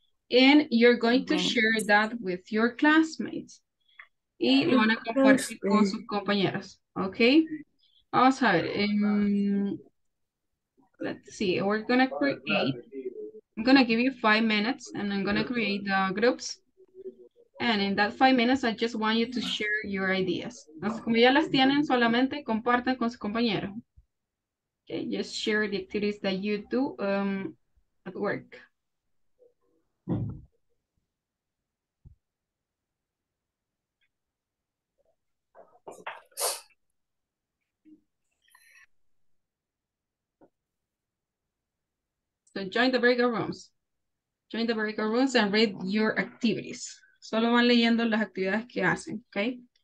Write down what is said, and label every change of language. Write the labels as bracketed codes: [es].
[en] And you're going to share that with your classmates. [es] Y lo van a compartir con sus compañeros. [en] Okay. [es] Vamos a ver. [en] Let's see. We're going to create. I'm going to give you 5 minutes and I'm going to create the groups. And in that 5 minutes, I just want you to share your ideas. [es] Entonces, como ya las tienen, solamente compartan con su compañero. [en] Okay. Just share the activities that you do at work. So join the breakout rooms. Join the breakout rooms and read your activities. [es] Solo van leyendo las actividades que hacen, okay?